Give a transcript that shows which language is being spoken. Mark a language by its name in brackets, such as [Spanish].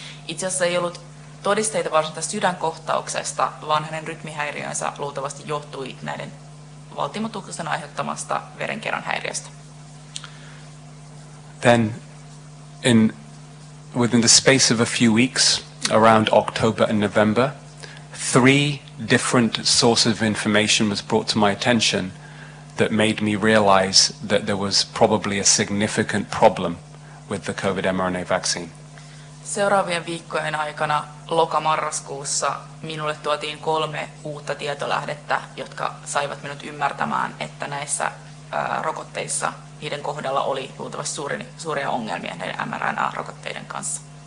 [Finnish] Itse asiassa ei ollut todisteita varsinaista sydänkohtauksesta, vaan hänen rytmihäiriönsä luultavasti johtui näiden valtimotuksen aiheuttamasta verenkierron häiriöstä. [English] Then in within the space of a few weeks around October and November, three different sources of information was brought to my attention that made me realize that there was probably a significant problem with the COVID mRNA vaccine. [Finnish] Seuraavien viikkojen aikana lokamarraskuussa minulle tuotiin kolme uutta tietolähdettä, jotka saivat minut ymmärtämään, että näissä rokotteissa niiden kohdalla oli luultavasti suuria ongelmia näiden mRNA-rokotteiden kanssa.